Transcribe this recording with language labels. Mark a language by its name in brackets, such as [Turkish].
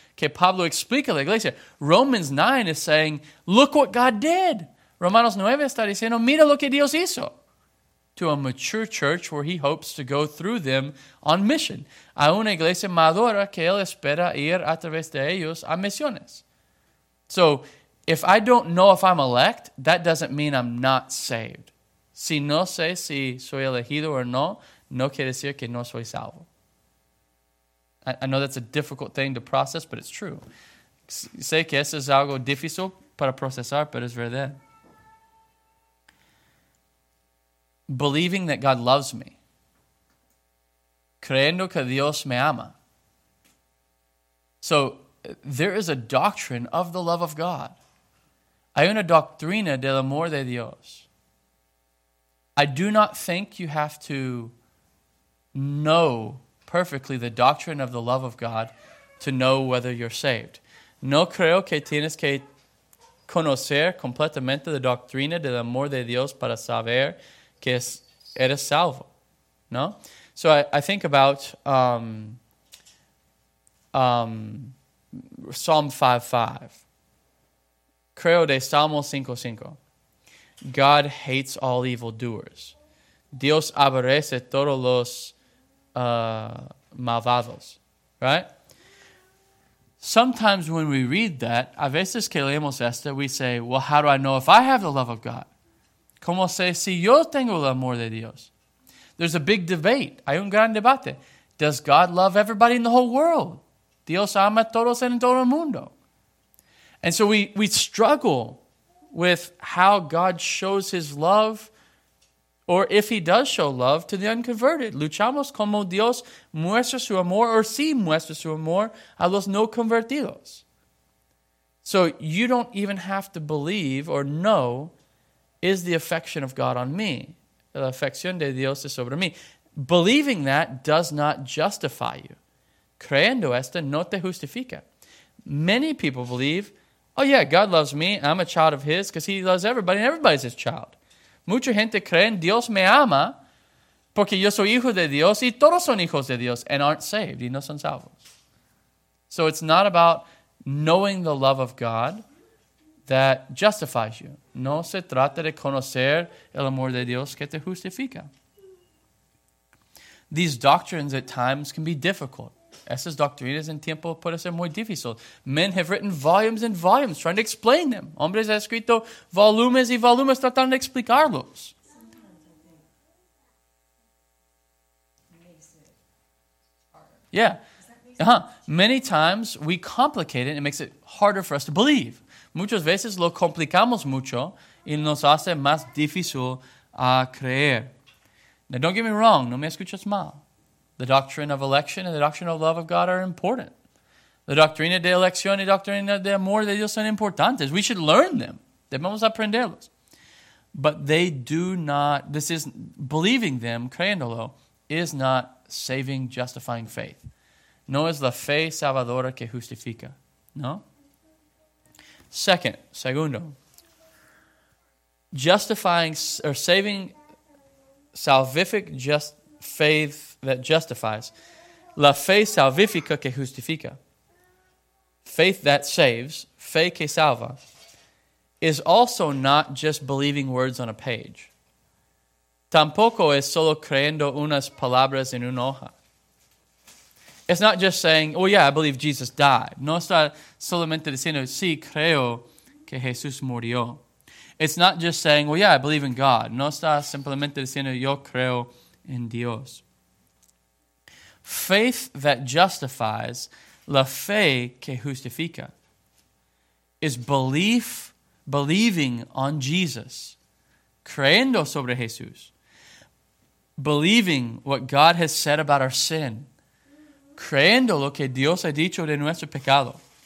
[Spanish] Que Pablo explica la iglesia. [English] Romans 9 is saying, look what God did. [Spanish] Romanos 9 está diciendo, mira lo que Dios hizo. [English] To a mature church where he hopes to go through them on mission. [Spanish] A una iglesia madura que él espera ir a través de ellos a misiones. [English] So, if I don't know if I'm elect, that doesn't mean I'm not saved. [Spanish] Si no sé si soy elegido o no, no quiere decir que no soy salvo. [English] I know that's a difficult thing to process, but it's true. [Spanish] Sé que eso es algo difícil para procesar, pero es verdad. [English] Believing that God loves me. [Spanish] Creyendo que Dios me ama. [English] So, there is a doctrine of the love of God. [Spanish] Hay una doctrina del amor de Dios. [English] I do not think you have to know perfectly the doctrine of the love of God to know whether you're saved. [Spanish] No creo que tienes que conocer completamente la doctrina del amor de Dios para saber que eres salvo, ¿no? [English] So I think about Psalm 5:5. [Spanish] Creo de Salmo 5:5. [English] God hates all evildoers. [Spanish] Dios aborrece todos los malvados, right? [English] Sometimes when we read that, [Spanish] a veces que leemos esto, [English] we say, well, how do I know if I have the love of God? [Spanish] ¿Cómo sé si yo tengo el amor de Dios? [English] There's a big debate. [Spanish] Hay un gran debate. [English] Does God love everybody in the whole world? [Spanish] Dios ama a todos en todo el mundo. [English] And so we struggle with how God shows his love, or if he does show love to the unconverted. [Spanish] Luchamos como Dios muestra su amor, or si muestra su amor a los no convertidos. [English] So you don't even have to believe or know, is the affection of God on me? [Spanish] La afección de Dios es sobre mí. [English] Believing that does not justify you. [Spanish] Creyendo esto no te justifica. [English] Many people believe, oh yeah, God loves me. I'm a child of his because he loves everybody and everybody's his child. [Spanish] Mucha gente cree en Dios me ama porque yo soy hijo de Dios y todos son hijos de Dios [English] and aren't saved [Spanish] y no son salvos. [English] So it's not about knowing the love of God that justifies you. [Spanish] No se trata de conocer el amor de Dios que te justifica. [English] These doctrines at times can be difficult. [Spanish] Esas doctrinas en tiempo puede ser muy difícil. [English] Men have written volumes and volumes trying to explain them. [Spanish] Hombres han escrito volumes y volumes tratando de explicarlos. [English] Sometimes I think makes it harder. Yeah. Uh-huh. Many times we complicate it and it makes it harder for us to believe. [Spanish] Muchas veces lo complicamos mucho y nos hace más difícil a creer. [English] Now, don't get me wrong. [Spanish] No me escuches mal. [English] The doctrine of election and the doctrine of love of God are important. [Spanish] The doctrina de elección y doctrina de amor de Dios son importantes. [English] We should learn them. [Spanish] Debemos aprenderlos. [English] But they do not, this is, believing them, [Spanish] creyéndolo, [English] is not saving, justifying faith. [Spanish] No es la fe salvadora que justifica. No? Segundo, [English] justifying or saving salvific just faith that justifies. [Spanish] La fe salvifica que justifica. [English] Faith that saves, [Spanish] fe que salva, [English] is also not just believing words on a page. [Spanish] Tampoco es solo creyendo unas palabras en una hoja. [English] It's not just saying, oh yeah, I believe Jesus died. [Spanish] No está solamente diciendo, sí, creo que Jesús murió. [English] It's not just saying, well, yeah, I believe in God. [Spanish] No está simplemente diciendo, yo creo en Dios. [English] Faith that justifies, [Spanish] la fe que justifica, [English] is belief, believing on Jesus, [Spanish] creyendo sobre Jesús, [English] believing what God has said about our sin, [Spanish] creyendo lo que Dios ha dicho de nuestro pecado,